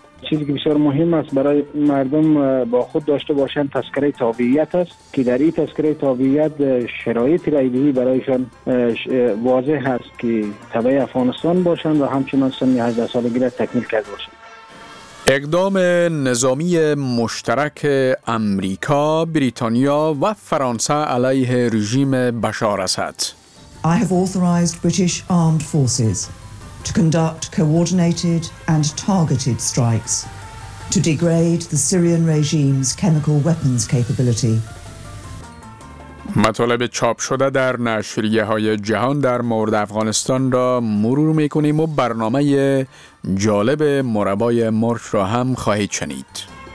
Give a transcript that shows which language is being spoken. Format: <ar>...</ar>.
<fa>چیزی که بسیار مهم است برای مردم با خود داشته باشند تذکره تابعیت است که در این تذکره تابعیت شرایط رایدهی برایشان واضح است که تبع افغانستان باشند و همچنان سن 18 سالگی را تکمیل کرده باشند. اقدام نظامی مشترک امریکا، بریتانیا و فرانسه علیه رژیم بشار اسد.</fa> <en>I have authorized British armed forces to conduct coordinated and targeted strikes to degrade the Syrian regime's chemical weapons capability.</en> <fa>مطالب چاپ شده در نشریه‌های جهان در مورد افغانستان را مرور می‌کنیم و برنامه جالب مربای مرچ را هم خواهید شنید.</fa>